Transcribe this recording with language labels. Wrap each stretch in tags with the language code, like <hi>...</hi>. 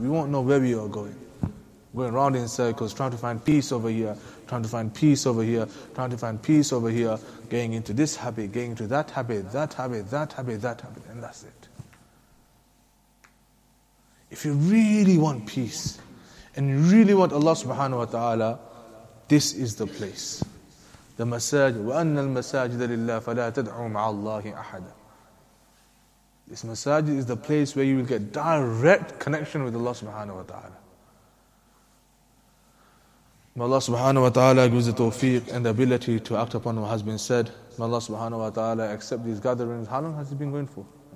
<en>We won't know where we are going. Going round in circles, trying to find peace over here, trying to find peace over here, trying to find peace over here, getting into this habit, getting into that habit, that habit, that habit, that habit, and that's it. If you really want peace, and you really want Allah subhanahu wa ta'ala, this is the place.</en> <ar>The masajid, وَأَنَّ الْمَسَاجِدَ لِلَّهِ فَلَا تَدْعُوا مَعَ اللَّهِ أَحَدًا.</ar> <en>This masajid is the place where you will get direct connection with Allah subhanahu wa ta'ala. May Allah subhanahu wa ta'ala give us the tawfiq and the ability to act upon what has been said. May Allah subhanahu wa ta'ala accept these gatherings. How long has it been going for?</en>